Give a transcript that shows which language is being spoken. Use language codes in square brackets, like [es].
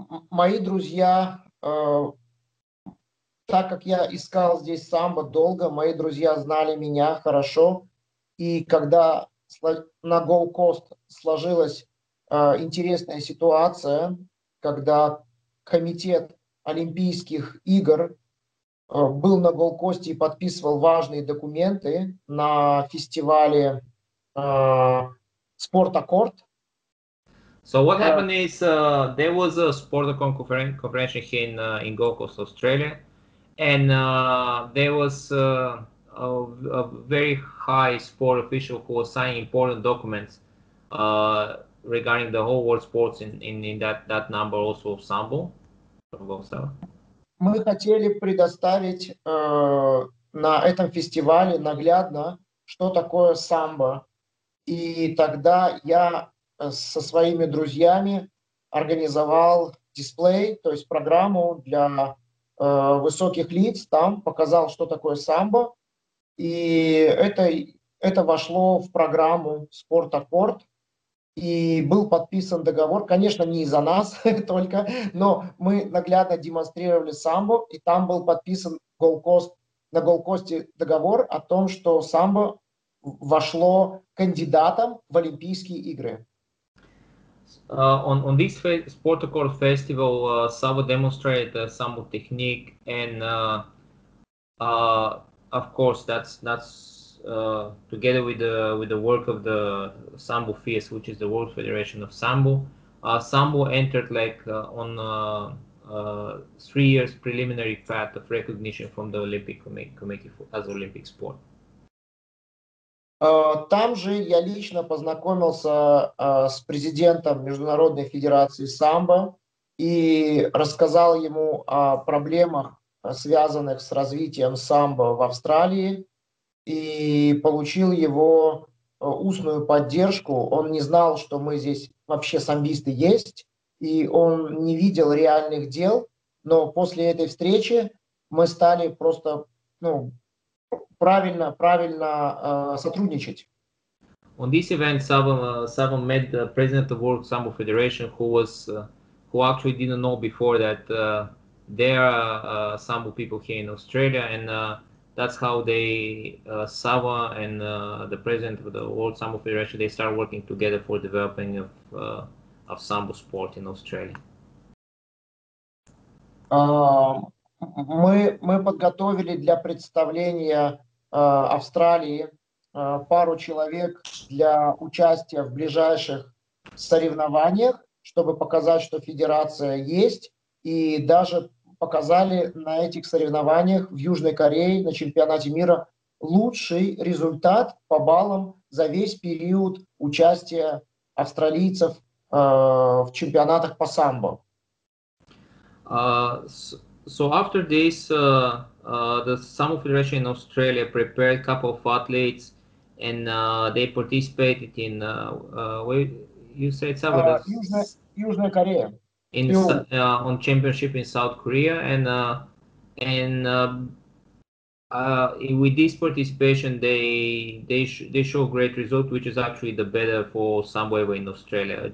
[ru] Мои друзья, так как я искал здесь самбо долго, мои друзья знали меня хорошо, и когда на Gold Coast сложилась интересная ситуация, когда комитет Олимпийских игр был на Gold Coast и подписывал важные документы на фестивале Sport Accord. [en] So what happened is there was a Sport Accord conference here in Gold Coast, Australia, and there was a very high sport official who was signing important documents regarding the whole world sports in that number also of Sambo. [ru] Мы хотели предоставить на этом фестивале наглядно, что такое самбо. И тогда я со своими друзьями организовал дисплей, то есть программу для высоких лиц, там показал, что такое самбо. И это вошло в программу Sport Accord. И был подписан договор, конечно, не из-за нас только, но мы наглядно демонстрировали самбо, и там был подписан на Gold Coast договор о том, что самбо вошло кандидатом в Олимпийские игры. [en] On this Sport Accord festival, Sava demonstrated samba technique, and of course that's together with the work of the Sambo FIS, which is the World Federation of Sambo, Sambo entered like on 3 years preliminary path of recognition from the Olympic Committee as Olympic sport. [ru] Там же я лично познакомился с президентом Международной Федерации Самбо и рассказал ему о проблемах, связанных с развитием самбо в Австралии. И получил его устную поддержку. Он не знал, что мы здесь вообще самбисты есть, и он не видел реальных дел. Но после этой встречи мы стали просто, ну, правильно сотрудничать. [en] On this event, Sava met the president of World Sambo Federation, who actually didn't know before that there are Sambo people here in Australia, and that's how they, Sava and the president of the World Sambo Federation, they start working together for developing of Sambo sport in Australia. [ru] Мы подготовили для представления Австралии пару человек для участия в ближайших соревнованиях, чтобы показать, что федерация есть, и даже показали на этих соревнованиях в Южной Корее на чемпионате мира лучший результат по баллам за весь период участия австралийцев в чемпионатах по самбо. [en] So after this, the Sambo Federation in Australia prepared a couple of athletes, and they participated in where you said Sambo? [ru] Южная Корея. [en] In on championship in South Korea, and with this participation, they show great result, which is actually the better for Sambo ever in Australia.